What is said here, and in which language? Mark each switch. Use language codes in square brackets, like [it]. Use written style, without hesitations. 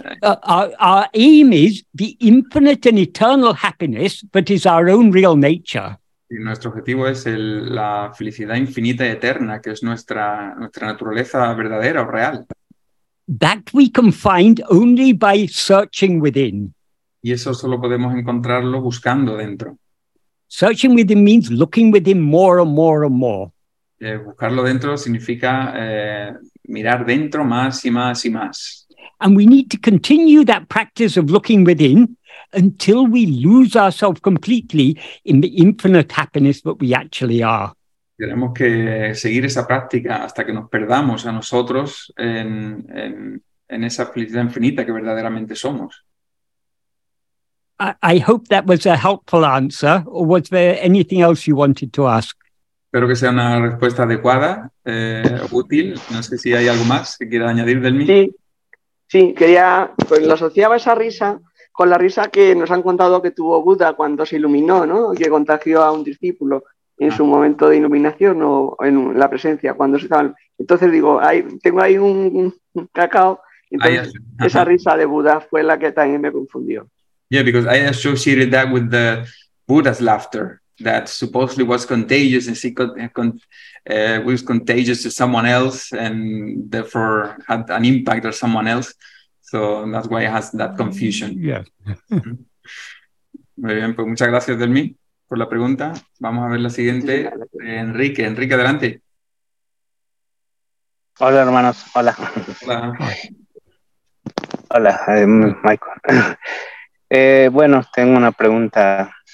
[en] our aim is the infinite and eternal happiness that is our own real nature. [es] Y nuestro objetivo es la felicidad infinita y eterna, que es nuestra naturaleza verdadera o real. [en] That we can find only by searching within. [es] Y eso solo podemos encontrarlo buscando dentro. [en] Searching within means looking within more and more and more. [es] Buscarlo dentro significa mirar dentro más y más y más. [en] And we need to continue that practice of looking within until we lose ourselves completely in the infinite happiness that we actually are. [es] Tenemos que seguir esa práctica hasta que nos perdamos a nosotros en esa felicidad infinita que verdaderamente somos. [en] I hope that was a helpful answer, or was there anything else you wanted to ask? [es] Espero que sea una respuesta adecuada, útil. No sé si hay algo más que quiera añadir del mío. Sí, quería, pues lo asociaba esa risa con la risa que nos han contado que tuvo Buda cuando se iluminó, ¿no? Que contagió a un discípulo en su momento de iluminación o en la presencia, cuando se estaban. Entonces digo, tengo ahí un cacao, entonces esa risa de Buda fue la que también me confundió. [en] Yeah, because I associated that with the Buddha's laughter. That supposedly was contagious, and was contagious to someone else, and therefore had an impact on someone else. So that's why it has that confusion. Yes. [es] Muy bien, pues muchas gracias, Delmi, por la pregunta. Vamos a ver la siguiente. Enrique, adelante. Hola, hermanos. Hola. Hola. Hola, Michael. Bueno, tengo una pregunta.